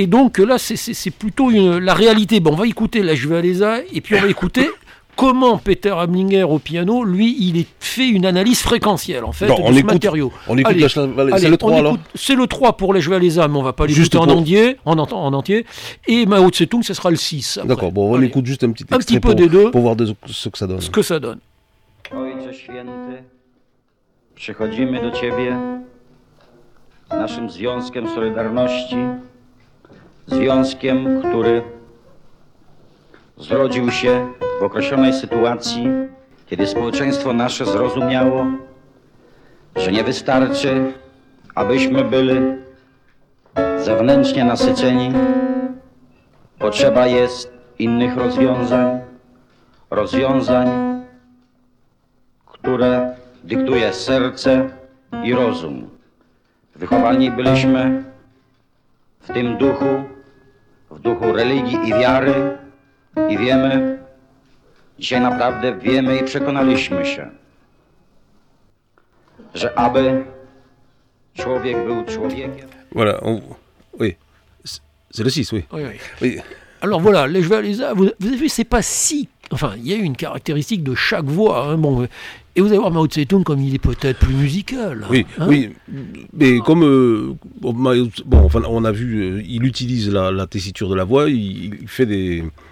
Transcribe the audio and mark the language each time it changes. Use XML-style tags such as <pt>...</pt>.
<fr>Et donc là, c'est plutôt la réalité. Bon, on va écouter Lej Walesa, et puis on va écouter comment Peter Ablinger au piano, lui, il fait une analyse fréquentielle, en fait, de ce matériau. On écoute Lej Walesa, c'est le 3, alors écoute, c'est le 3 pour Lej Walesa, mais on ne va pas l'écouter en entier. Et Mao Tse-Tung, ce sera le 6. Après. D'accord, bon, on écoute juste un petit peu des deux. Pour voir ce que ça donne.</fr> <pl>Ojcze Święty, przychodzimy do Ciebie z naszym związkiem solidarności, związkiem, który zrodził się w określonej sytuacji, kiedy społeczeństwo nasze zrozumiało, że nie wystarczy, abyśmy byli zewnętrznie nasyceni. Potrzeba jest innych rozwiązań, które dyktuje serce i rozum. Wychowani byliśmy w tym duchu, w duchu religii i wiary, i wiemy, dzisiaj naprawdę wiemy i przekonaliśmy się, że aby człowiek był człowiekiem...</pl> <fr>Voilà, oui, c'est le 6, oui. Oui. Alors voilà, Lej Walesa, vous avez vu, c'est pas si... Enfin, il y a une caractéristique de chaque voix, hein, bon... Et vous allez voir Mao Tse-Tung comme il est peut-être plus musical. Oui, hein, oui. Mais comme on a vu, il utilise la tessiture de la voix, il fait des...</fr>